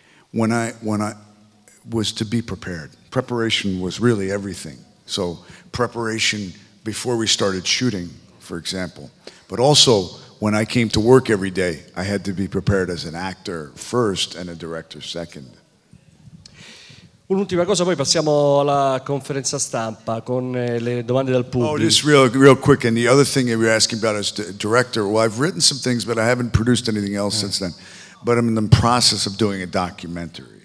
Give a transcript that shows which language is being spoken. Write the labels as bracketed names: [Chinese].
[English] Preparation was really everything. So preparation before we started shooting, for example. But also when I came to work every day, I had to be prepared as an actor first and a director second. [Italian] Un'ultima cosa, poi passiamo alla conferenza stampa con le domande dal pubblico. [English] Oh, just real quick, and the other thing you were asking about is director. Well, I've written some things, but I haven't produced anything else since then. But I'm in the process of doing a documentary.